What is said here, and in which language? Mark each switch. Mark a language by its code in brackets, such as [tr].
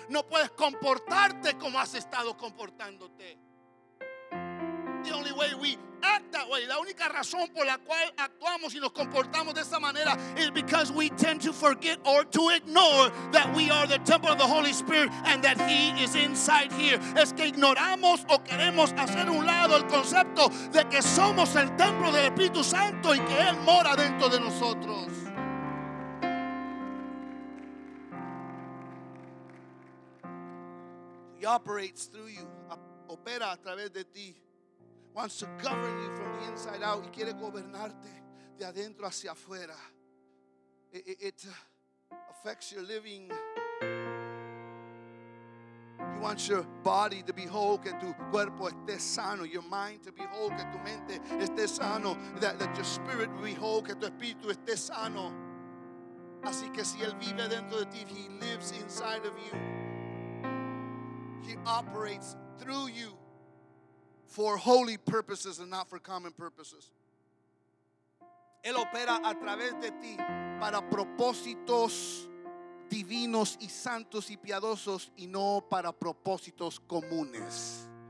[es] No puedes comportarte como has estado comportándote. [en] The only way we act that way, [es] la única razón por la cual actuamos y nos comportamos de esa manera, [en] is because we tend to forget or to ignore that we are the temple of the Holy Spirit and that he is inside here. [es] Es que ignoramos o queremos hacer un lado el concepto de que somos el templo del Espíritu Santo y que él mora dentro de nosotros. [en] He operates through you, [es] opera a través de ti. [en] Wants to govern you from the inside out. [es] Y quiere gobernarte de adentro hacia afuera. [en] It affects your living. He wants your body to be whole, [es] que tu cuerpo esté sano. [en] Your mind to be whole, [es] que tu mente esté sano. [en] That your spirit be whole, [es] que tu espíritu esté sano. Así que si él vive dentro de ti, [en] he lives inside of you. He operates through you. For holy purposes and not for common purposes. [es] Él opera a través de ti para propósitos divinos y santos y piadosos y no para propósitos comunes.